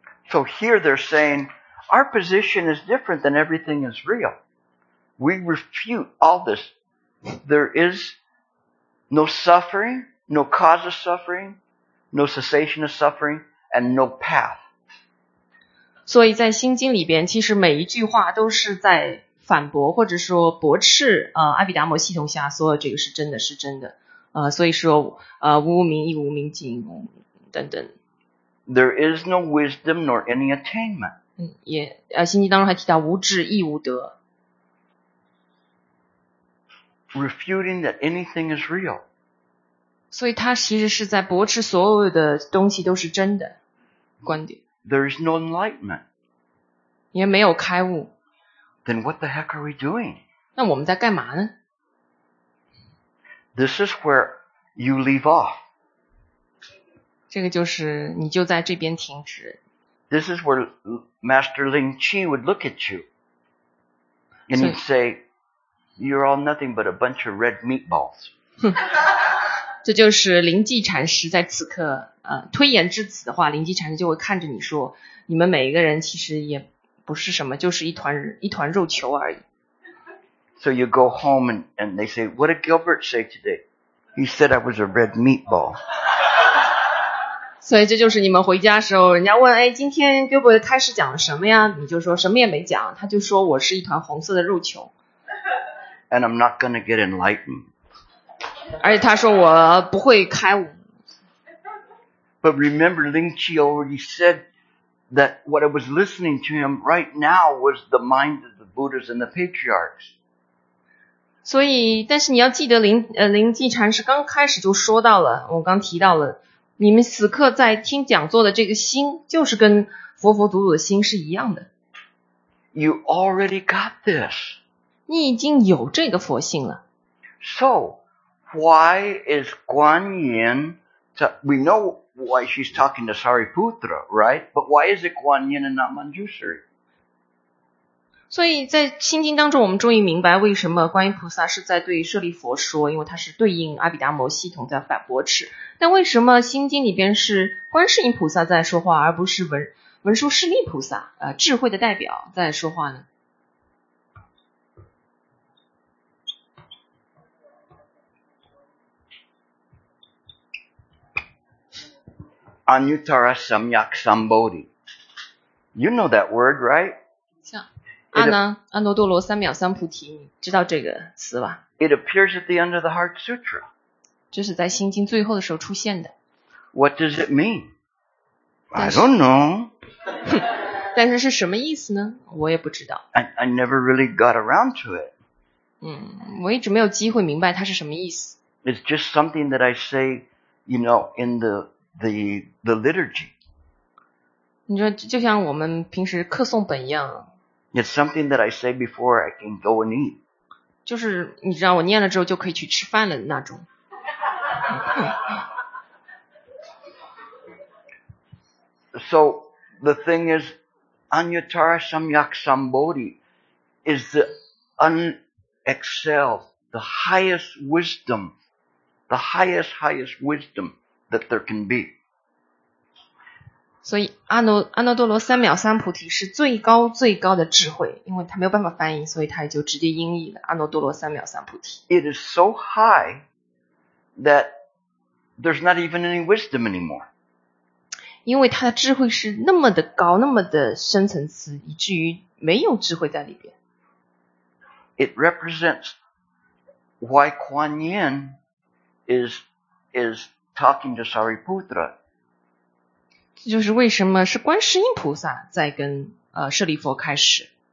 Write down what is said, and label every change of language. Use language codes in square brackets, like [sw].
[en] So here they're saying, our position is different than everything is real. We refute all this. There is no suffering, no cause of suffering, no cessation of suffering, and no path. [zh] 所以在心经里边，其实每一句话都是在反驳或者说驳斥阿毗达摩系统下所有这个是真的是真的所以说无明亦无明尽等等。 [en] There is no wisdom nor any attainment. [zh] 心经当中还提到无智亦无德。 [en] Refuting that anything is real. [zh] 所以他其实是在驳斥所有的东西都是真的观点。 [en] There is no enlightenment. [zh] 也没有开悟。 [en] Then what the heck are we doing? [zh] 那我们在干嘛呢？ [en] This is where you leave off. [zh] 这个就是你就在这边停止。 [en] This is where Master Ling Qi would look at you. And he'd say, you're all nothing but a bunch of red meatballs. [zh] 这就是灵济禅师在此刻推言至此的话，灵济禅师就会看着你说，你们每一个人其实也不是什么，就是一团肉球而已。 [en] So you go home and they say, what did Gilbert say today? He said I was a red meatball. [zh] 所以这就是你们回家时候，人家问，哎，今天 Gilbert 开始讲了什么呀？你就说什么也没讲，他就说我是一团红色的肉球。 [en] And I'm not going to get enlightened. [zh] 而且他说我不会开悟。 [en] But remember, Ling Chi already said that what I was listening to him right now was the mind of the Buddhas and the patriarchs. [zh] 所以，但是你要记得灵济禅师刚开始就说到了，我刚提到了，你们此刻在听讲座的这个心，就是跟佛佛祖祖的心是一样的。 [en] You already got this. [zh] 你已经有这个佛性了。 [en] So, why is Guan Yin, we know why she's talking to Sariputra, right? But why is it Guan Yin and not Manjushri? [zh] 所以在心经当中我们终于明白为什么观音菩萨是在对舍利佛说，因为他是对应阿毗达摩系统在反驳斥。但为什么心经里边是观世音菩萨在说话，而不是文殊师利菩萨智慧的代表在说话呢？ [sa] Anuttara Samyak Sambodhi. [en] You know that word, right? [zh] 像阿耨多罗三藐三菩提，你知道这个词吧？ [en] It appears at the end of the Heart Sutra. [zh] 这是在心经最后的时候出现的。 [en] What does it mean? I don't know. [zh] 但是是什么意思呢？我也不知道。 [en] I never really got around to it. [zh] 我一直没有机会明白它是什么意思。 [en] It's just something that I say, you know, in the liturgy. [zh] 你说就像我们平时课诵本一样。 [en] It's something that I say before I can go and eat. [zh] 就是你知道我念了之后就可以去吃饭了那种。 [en] So the thing is, Anuttara Samyak Sambodhi is the unexcelled, the highest wisdom, the highest wisdom that there can be. [zh] 所以阿耨多罗三藐三菩提是最高最高的智慧，因为他没有办法翻译，所以他就直接音译了阿耨多罗三藐三菩提。 [en] It is so high that there's not even any wisdom anymore. [zh] 因为他的智慧是那么的高，那么的深层次，以至于没有智慧在里边。 [en] It represents why Kuan Yin is talking to Sariputra. [zh] 这就是为什么是观世音菩萨在跟舍利佛开始。